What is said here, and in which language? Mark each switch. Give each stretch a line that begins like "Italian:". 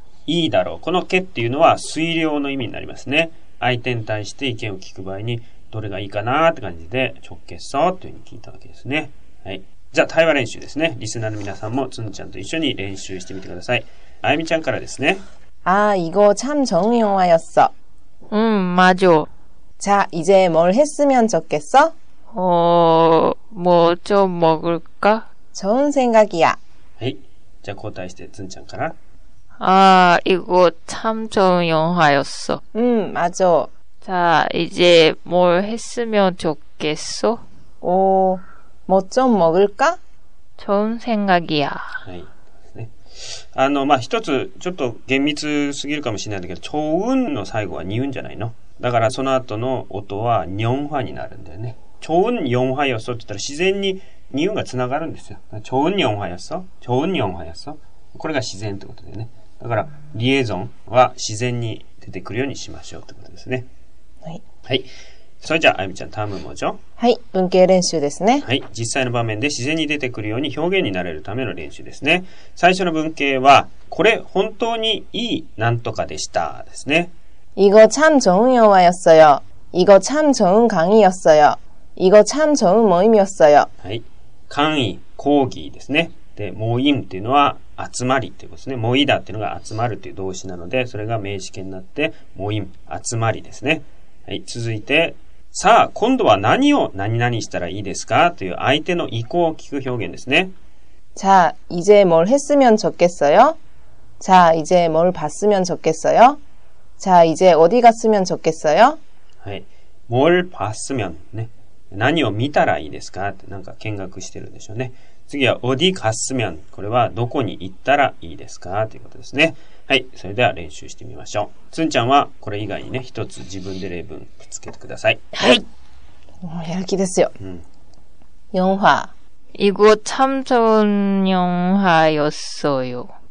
Japanese: いいだろう。このけっていうのは推量の意味になりますね。相手に対して意見を聞く場合に、どれがいいかなって感じで、ちょっけっそうっていうふうに聞いたわけですね。はい。じゃあ、対話練習ですね。リスナーの皆さんも、つんちゃんと一緒に練習してみてください。あゆみちゃんからですね。
Korean: あー、이거참좋은영화였어。
Japanese: うん、まじょ。
Korean: じゃあ、이제뭘했으면좋겠어 뭐좀먹을까 좋은생각이야
Japanese: はい。じゃあ交代して、つんちゃんから。
Korean: 아、이거참좋은영화였어。 맞아。 자、이제뭘했으면좋겠어 오、뭐좀먹을까 좋은생각이야。
Japanese: はい。ね、まあ、一つ、ちょっと厳密すぎるかもしれないんだけど、좋은の最後はにうんじゃないの。だから、その後の音は、にょんはになるんだよね。
Korean: 좋은영화였어
Japanese: って言ったら自然に니은がつながるんですよ。
Korean: 좋은영화였어。 좋은영화였어。
Japanese: これが自然ってことだよね。だから、リエゾンは自然に出てくるようにしましょうってことですね。はい。はい。それじゃあ、あゆみちゃん、タームもじゃ。はい。文型練習ですね。はい。実際の場面で自然に出てくるように表現になれるための練習ですね。最初の文型は、これ本当にいいなんとかでしたですね。
Korean: 이거참좋은영화였어요。 이거참좋은강의였어요。 이거참좋은모임이었어요。
Japanese: はい。簡易、講義ですね。で、모임っていうのは集まりっていうことですね。모이다っていうのが集まるっていう動詞なので、それが名詞形になって、모임、集まりですね。はい。続いて、さあ、今度は何を何々したらいいですかという相手の意向を聞く表現ですね。
Korean: 자、이제뭘했으면좋겠어요。 자、이제뭘봤으면좋겠어요。 자、이제어디갔으면좋겠어요。
Japanese: はい。
Korean: 뭘봤으면、
Japanese: ね。何を見たらいいですかって、なんか見学してるんでしょうね。次は、어디갔으면。これは、どこに行ったらいいですかということですね。はい。それでは練習してみましょう。つんちゃんは、これ以外にね、一つ自分で例文くっつけてください。はい。もうやる気ですよ。うん。 4話。
Korean: 이거참좋은영화였어요。